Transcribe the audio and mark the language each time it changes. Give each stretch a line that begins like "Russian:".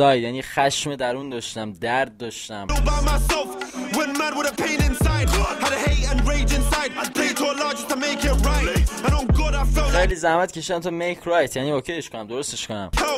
Persian: یعنی خشم درون داشتم، درد داشتم.
English: Went mad with a pain inside. Had a hate and rage inside. I prayed to Allah just to make it right. And on God, I felt
Persian: خیلی زحمت کشیدن تو
English: میک رایت،
Persian: یعنی اوکیش کنم، درستش کنم.